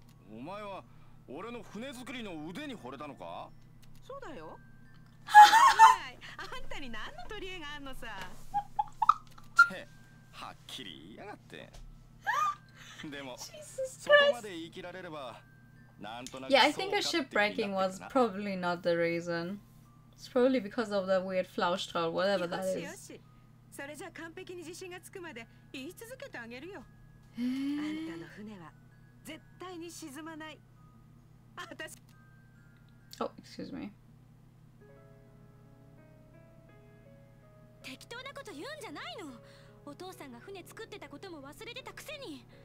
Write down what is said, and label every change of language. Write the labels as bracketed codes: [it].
[ja] お前は俺の船作りの腕に惚れたのか？そうだよ。はい。あんたに何の取り柄があんのさ。て、はっきり言いやがって。でも、 [en] Jesus Christ. [ja] そこまで生きられれば。 [en] Yeah, I think a ship breaking was probably not the reason. It's probably because of the weird flauschtroll, whatever that is. [ja] それじゃ完璧に自信がつくまで言い続けてあげるよ。あんたの船は絶対に沈まない。私。 [en] Oh, excuse me. [ja] 適当なこと言うんじゃないの。お父さんが船作ってたことも忘れてたくせに。